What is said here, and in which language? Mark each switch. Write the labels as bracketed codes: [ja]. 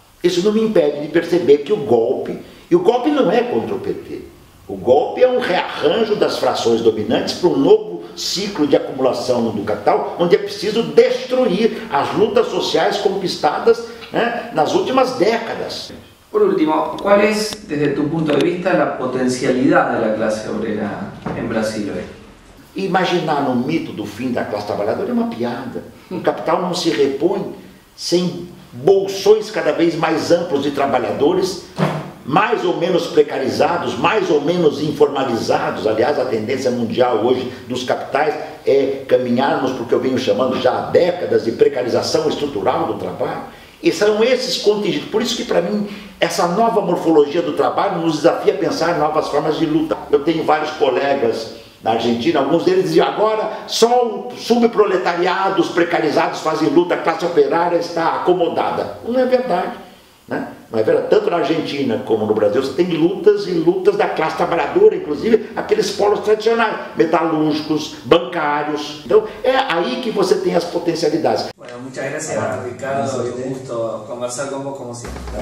[pt] Isso não me impede de perceber que o golpe, e o golpe não é contra o PT. O golpe é um rearranjo das frações dominantes para um novo ciclo de acumulação do capital, onde é preciso destruir as lutas sociais conquistadas, né, nas últimas décadas. [es] Por último, ¿cuál es, desde tu punto de vista, la potencialidad de la clase obrera en Brasil hoy? [pt] Imaginar no mito do fim da classe trabalhadora é uma piada. O capital não se repõe sem bolsões cada vez mais amplos de trabalhadores, mais ou menos precarizados, mais ou menos informalizados. Aliás, a tendência mundial hoje dos capitais é caminharmos, porque eu venho chamando já há décadas, de precarização estrutural do trabalho. E são esses contingentes. Por isso que, para mim, essa nova morfologia do trabalho nos desafia a pensar novas formas de luta. Eu tenho vários colegas na Argentina, alguns deles diziam, agora só o subproletariado, os precarizados fazem luta, a classe operária está acomodada. Não é verdade, né? Não é verdade. Tanto na Argentina como no Brasil, você tem lutas e lutas da classe trabalhadora, inclusive aqueles polos tradicionais, metalúrgicos, bancários. Então, é aí que você tem as potencialidades. [es] Muchas gracias, Ricardo, y un gusto conversar con vos como siempre.